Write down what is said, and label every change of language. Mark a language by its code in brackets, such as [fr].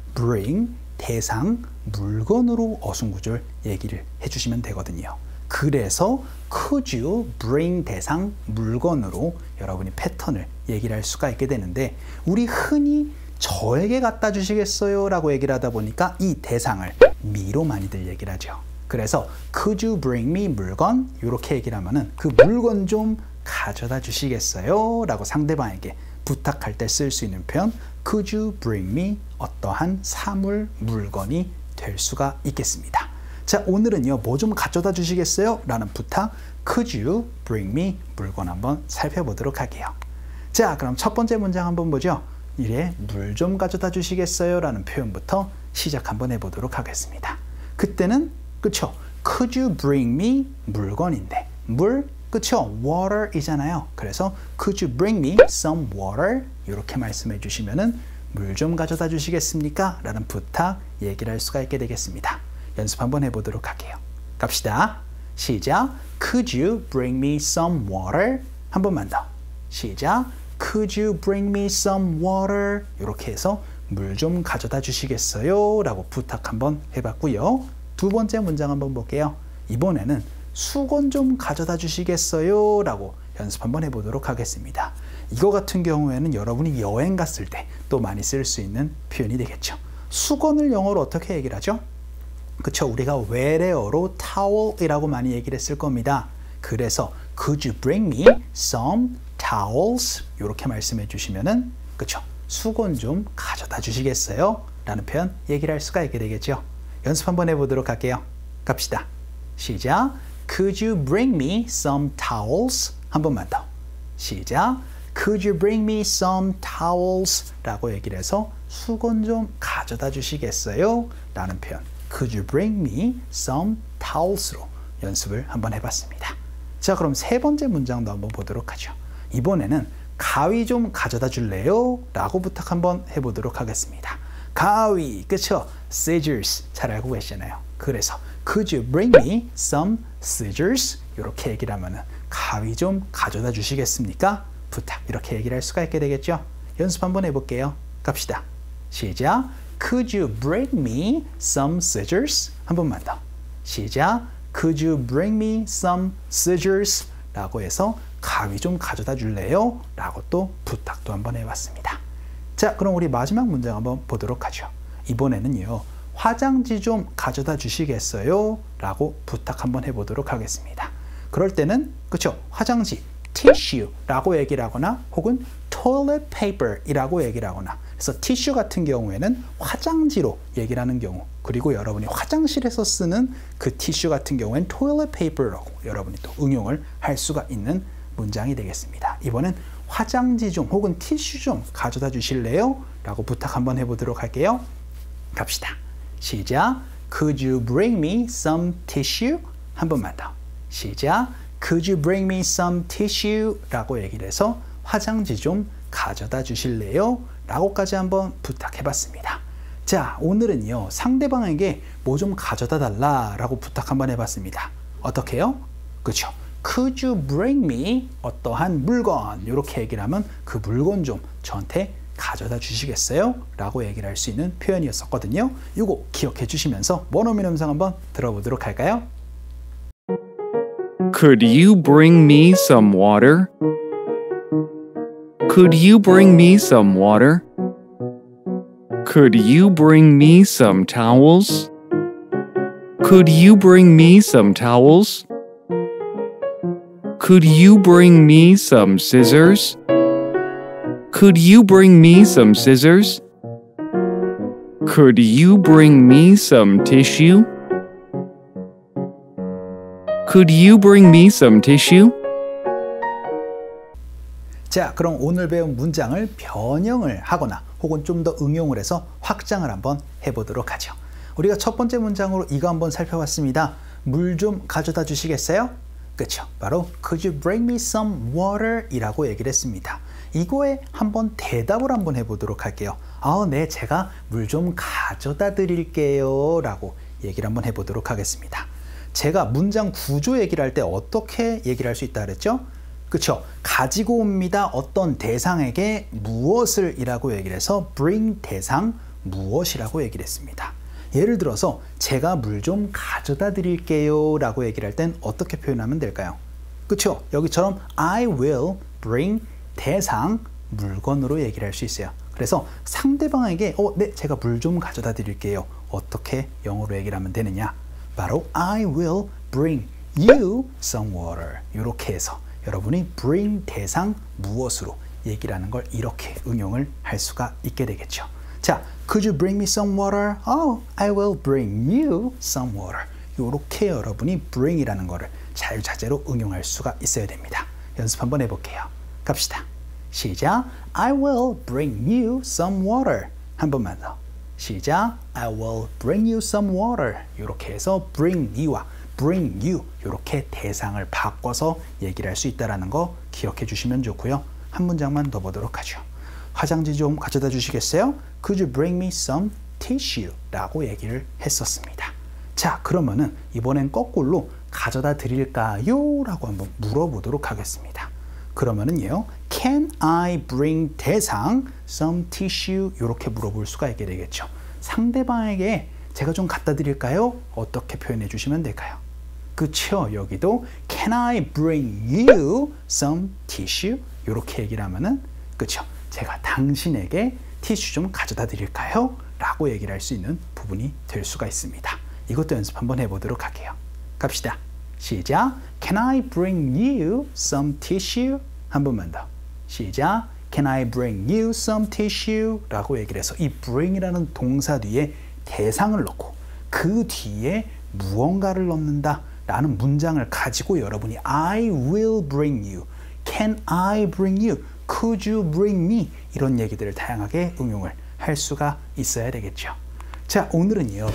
[ko] bring, 대상, 물건으로 어순구조를 얘기를 해주시면 되거든요. 그래서 [en] could you bring [ko] 대상, 물건으로 여러분이 패턴을 얘기를 할 수가 있게 되는데 우리 흔히 저에게 갖다 주시겠어요? 라고 얘기를 하다 보니까 이 대상을 me로 많이들 얘기를 하죠. 그래서 [en] could you bring me [ko] 물건? 이렇게 얘기를 하면은 그 물건 좀 가져다 주시겠어요? 라고 상대방에게 부탁할 때 쓸 수 있는 표현 [en] could you bring me [ko] 어떠한 사물, 물건이 될 수가 있겠습니다. 자, 오늘은요 뭐 좀 가져다 주시겠어요? 라는 부탁 [en] could you bring me [ko] 물건 한번 살펴보도록 할게요. 자, 그럼 첫 번째 문장 한번 보죠. 이래 물 좀 가져다 주시겠어요? 라는 표현부터 시작 한번 해보도록 하겠습니다. 그때는 그쵸? [en] Could you bring me [ko] 물건인데 물 그쵸? [en] Water [ko] 이잖아요. 그래서 [en] Could you bring me some water? [ko] 이렇게 말씀해 주시면은 물 좀 가져다 주시겠습니까? 라는 부탁 얘기를 할 수가 있게 되겠습니다. 연습 한번 해보도록 할게요. 갑시다. 시작. [en] Could you bring me some water? [ko] 한 번만 더. 시작. [en] Could you bring me some water? [ko] 이렇게 해서 물 좀 가져다 주시겠어요? 라고 부탁 한번 해봤고요. 두 번째 문장 한번 볼게요. 이번에는 수건 좀 가져다 주시겠어요? 라고 연습 한번 해보도록 하겠습니다. 이거 같은 경우에는 여러분이 여행 갔을 때 또 많이 쓸 수 있는 표현이 되겠죠. 수건을 영어로 어떻게 얘기를 하죠? 그쵸, 우리가 외래어로 towel이라고 많이 얘기를 했을 겁니다. [en] 그래서 could you bring me some towels? [ko] 이렇게 말씀해 주시면은 그쵸, 수건 좀 가져다 주시겠어요? 라는 표현 얘기를 할 수가 있게 되겠죠. 연습 한번 해보도록 할게요. 갑시다. 시작. [en] Could you bring me some towels? [ko] 한 번만 더. 시작. [en] Could you bring me some towels? [ko] 라고 얘기를 해서 수건 좀 가져다 주시겠어요? 라는 표현. [en] Could you bring me some towels?로 [ko] 연습을 한번 해봤습니다. 자, 그럼 세 번째 문장도 한번 보도록 하죠. 이번에는 가위 좀 가져다 줄래요? 라고 부탁 한번 해보도록 하겠습니다. 가위, 그쵸? Scissors, 잘 알고 계시잖아요. [en] 그래서 Could you bring me some scissors? [ko] 이렇게 얘기를 하면은 가위 좀 가져다 주시겠습니까? 부탁, 이렇게 얘기를 할 수가 있게 되겠죠? 연습 한번 해볼게요. 갑시다. 시작. [en] Could you bring me some scissors? [ko] 한 번만 더. 시작. [en] Could you bring me some scissors? [ko] 라고 해서 가위 좀 가져다 줄래요? 라고 또 부탁도 한번 해봤습니다. 자, 그럼 우리 마지막 문장 한번 보도록 하죠. 이번에는요, 화장지 좀 가져다 주시겠어요? 라고 부탁 한번 해보도록 하겠습니다. 그럴 때는, 그쵸? 화장지, tissue라고 얘기를 하거나 혹은 toilet paper이라고 얘기를 하거나 그래서 tissue 같은 경우에는 화장지로 얘기를 하는 경우 그리고 여러분이 화장실에서 쓰는 그 tissue 같은 경우엔 toilet paper라고 여러분이 또 응용을 할 수가 있는 문장이 되겠습니다. 이번엔 화장지 좀 혹은 티슈 좀 가져다 주실래요? 라고 부탁 한번 해보도록 할게요. 갑시다. 시작. [en] Could you bring me some tissue? [ko] 한 번만 더. 시작. [en] Could you bring me some tissue? [ko] 라고 얘기를 해서 화장지 좀 가져다 주실래요? 라고까지 한번 부탁해봤습니다. 자, 오늘은요. 상대방에게 뭐 좀 가져다 달라 라고 부탁 한번 해봤습니다. 어떻게요? 그쵸. [en] Could you bring me [ko] 어떠한 물건? 이렇게 얘기를 하면 그 물건 좀 저한테 가져다 주시겠어요? 라고 얘기를 할 수 있는 표현이었었거든요. 이거 기억해 주시면서 원어민 음성 한번 들어보도록 할까요? [en] Could you bring me some water? Could you bring me some water? Could you bring me some towels? Could you bring me some towels? Could you bring me some scissors? Could you bring me some scissors? Could you bring me some tissue? Could you bring me some tissue? [ko] 자, 그럼 오늘 배운 문장을 변형을 하거나 혹은 좀 더 응용을 해서 확장을 한번 해보도록 하죠. 우리가 첫 번째 문장으로 이거 한번 살펴봤습니다. 물 좀 가져다 주시겠어요? 그쵸. [en] 바로 Could you bring me some water? [ko] 이라고 얘기를 했습니다. 이거에 한번 대답을 한번 해보도록 할게요. 아, 네, 제가 물 좀 가져다 드릴게요. 라고 얘기를 한번 해보도록 하겠습니다. 제가 문장 구조 얘기를 할 때 어떻게 얘기를 할 수 있다 그랬죠? 그쵸. 가지고 옵니다. 어떤 대상에게 무엇을 이라고 얘기를 해서 bring 대상 무엇이라고 얘기를 했습니다. 예를 들어서 제가 물 좀 가져다 드릴게요 라고 얘기를 할 땐 어떻게 표현하면 될까요? 그쵸. 여기처럼 [en] I will bring [ko] 대상 물건으로 얘기를 할 수 있어요. 그래서 상대방에게 네, 제가 물 좀 가져다 드릴게요. 어떻게 영어로 얘기를 하면 되느냐? 바로 [en] I will bring you some water. [ko] 이렇게 해서 여러분이 bring 대상 무엇으로 얘기를 하는 걸 이렇게 응용을 할 수가 있게 되겠죠. [en] 자, could you bring me some water? Oh, I will bring you some water. [ko] 이렇게 여러분이 bring이라는 거를 자유자재로 응용할 수가 있어야 됩니다. 연습 한번 해볼게요. 갑시다. 시작. [en] I will bring you some water. [ko] 한 번만 더. 시작. [en] I will bring you some water. [ko] 이렇게 해서 [en] bring me [ko] 와 [en] bring you [ko] 이렇게 대상을 바꿔서 얘기를 할 수 있다는 거 기억해 주시면 좋고요. 한 문장만 더 보도록 하죠. 화장지 좀 가져다 주시겠어요? [en] Could you bring me some tissue? [ko] 라고 얘기를 했었습니다. 자, 그러면은 이번엔 거꾸로 가져다 드릴까요? 라고 한번 물어보도록 하겠습니다. 그러면은요, [en] Can I bring [ko] 대상 [en] some tissue? [ko] 이렇게 물어볼 수가 있게 되겠죠. 상대방에게 제가 좀 갖다 드릴까요? 어떻게 표현해 주시면 될까요? 그쵸, 여기도 [en] Can I bring you some tissue? [ko] 이렇게 얘기를 하면은 그쵸, 제가 당신에게 티슈 좀 가져다 드릴까요? 라고 얘기를 할 수 있는 부분이 될 수가 있습니다. 이것도 연습 한번 해보도록 할게요. 갑시다. 시작. [en] Can I bring you some tissue? [ko] 한 번만 더. 시작. [en] Can I bring you some tissue? [ko] 라고 얘기를 해서 이 bring이라는 동사 뒤에 대상을 넣고 그 뒤에 무언가를 넣는다 라는 문장을 가지고 여러분이 [en] I will bring you. Can I bring you? Could you bring me? [ko] 이런 얘기들을 다양하게 응용을 할 수가 있어야 되겠죠. 자, 오늘은요.